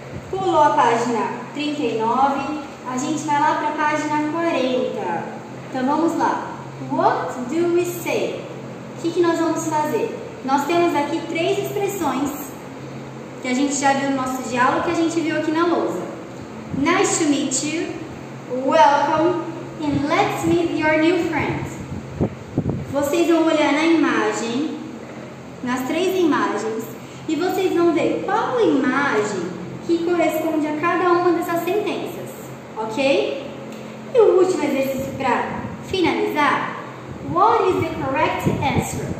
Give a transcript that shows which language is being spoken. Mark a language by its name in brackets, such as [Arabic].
[Portuguese] Pulou a página 39, a gente vai lá para a página 40. Então, vamos lá. [English] What do we say? [Portuguese] O que nós vamos fazer? Nós temos aqui três expressões que a gente já viu no nosso diálogo, que a gente viu aqui na lousa. [English] Nice to meet you, welcome, and let's meet your new friends. [Portuguese] Vocês vão olhar na imagem, nas três imagens, e vocês vão ver qual imagem que corresponde a cada uma dessas sentenças, ok? E o último exercício para finalizar, [English] what is the correct answer?